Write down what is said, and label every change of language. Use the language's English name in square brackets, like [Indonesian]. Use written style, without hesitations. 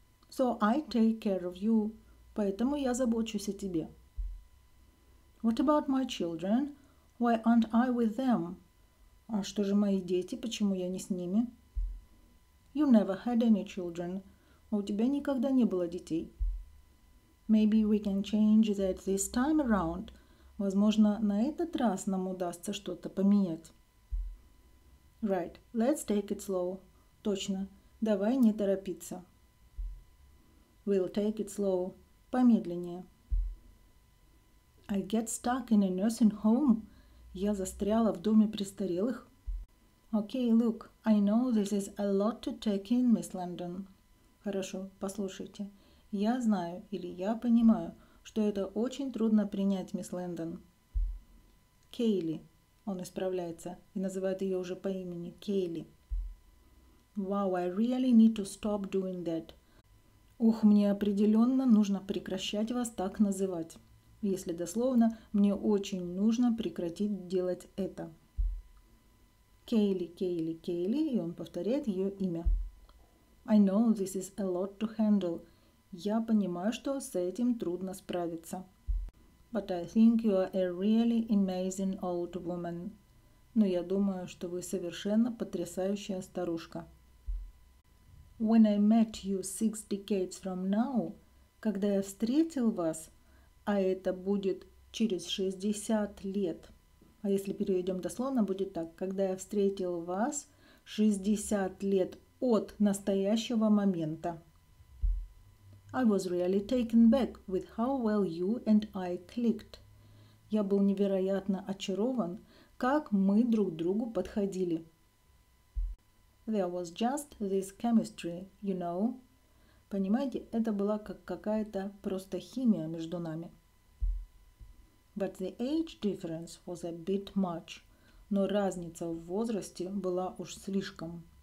[English] So I take care of you. [Russian] Поэтому я забочусь о тебе. [English] What about my children? Why aren't I with them? [Russian] А что же мои дети? Почему я не с ними? [English] You never had any children. [Russian] А у тебя никогда не было детей. [English] Maybe we can change that this time around. [Russian] Возможно, на этот раз нам удастся что-то поменять. [English] Right, let's take it slow. [Russian] Точно, давай не торопиться. [English] We'll take it slow. [Russian] Помедленнее. [English] I get stuck in a nursing home. [Russian] Я застряла в доме престарелых. [English] Okay, look, I know this is a lot to take in, Miss Landon. [Russian] Хорошо, послушайте. Я знаю или я понимаю, что это очень трудно принять, Miss Landon. Кейли. Он исправляется и называет ее уже по имени Кейли. Wow, I really need to stop doing that. Ух, мне определенно нужно прекращать вас так называть. Если дословно, мне очень нужно прекратить делать это. Кейли, и он повторяет ее имя. [English] I know this is a lot to handle. [Russian] Я понимаю, что с этим трудно справиться. [English] But I think you are a really amazing old woman. [Russian] Но я думаю, что вы совершенно потрясающая старушка. [English] When I met you 6 decades from now, [Russian] когда я встретил вас, а это будет через 60 лет. А если переведем дословно, будет так. Когда я встретил вас 60 лет от настоящего момента. [English] I was really taken back with how well you and I clicked. [Russian] Я был невероятно очарован, как мы друг другу подходили. [English] There was just this chemistry, you know. [Russian] Понимаете, это была как какая-то просто химия между нами. [English] But the age difference was a bit much. [Russian] Но разница в возрасте была уж слишком.